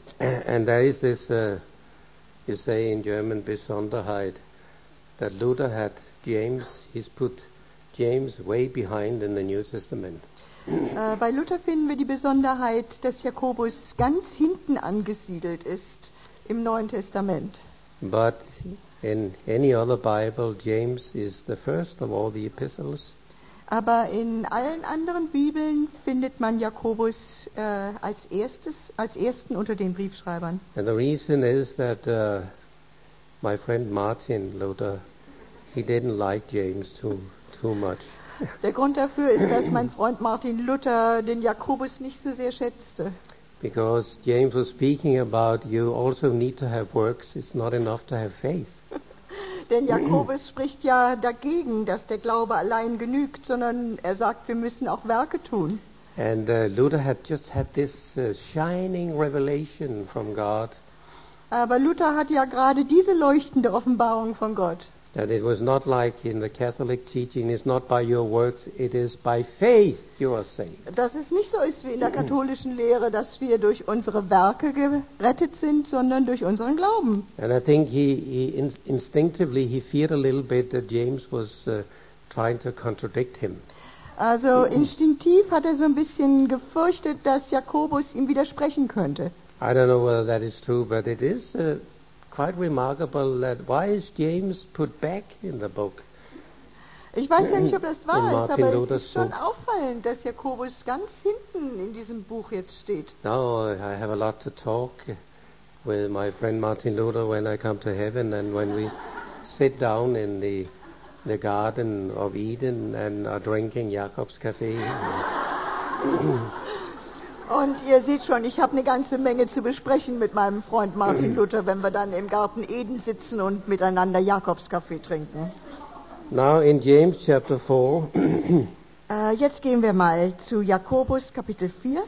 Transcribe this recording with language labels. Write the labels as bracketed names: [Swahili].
[English] And there is this, you say in German, Besonderheit, that Luther had James, he's put James way behind in the New Testament. [German] Bei Luther finden wir die Besonderheit, dass Jakobus ganz hinten angesiedelt ist im Neuen Testament. [English] But in any other Bible, James is the first of all the epistles. [German] Aber in allen anderen Bibeln findet man Jakobus als ersten unter den Briefschreibern. [English] And the reason is that my friend Martin Luther, he didn't like James too much. [German] Der Grund dafür ist, dass mein Freund Martin Luther den Jakobus nicht so sehr schätzte. [English] Because James was speaking about you also need to have works, it's not enough to have faith. [German] Denn Jakobus spricht ja dagegen, dass der Glaube allein genügt, sondern er sagt, wir müssen auch Werke tun. [English] And Luther had just had this shining revelation from God. [German] Aber Luther hatte ja gerade diese leuchtende Offenbarung von Gott. [English] That it was not like in the Catholic teaching, it's not by your works, it is by faith you are saved. [German] Dass es nicht so ist wie in der katholischen Lehre, dass wir durch unsere Werke gerettet sind, sondern durch unseren Glauben. [English] And I think he instinctively feared a little bit that James was trying to contradict him. [German] Also instinktiv hat so ein bisschen gefürchtet, dass Jakobus ihm widersprechen könnte. [English] I don't know whether that is true, but it is quite remarkable that why is James put back in the book? [German] Ich weiß ja nicht, ob das wahr ist, aber es ist schon auffallend, dass Jakobus ganz hinten in diesem Buch jetzt steht. [English] No, I have a lot to talk with my friend Martin Luther when I come to heaven and when we sit down in the Garden of Eden and are drinking Jakobs Café. [German] Und ihr seht schon, ich habe eine ganze Menge zu besprechen mit meinem Freund Martin Luther, wenn wir dann im Garten Eden sitzen und miteinander Jakobskaffee trinken. [English] Now in James chapter 4. [German] Jetzt gehen wir mal zu Jakobus Kapitel 4.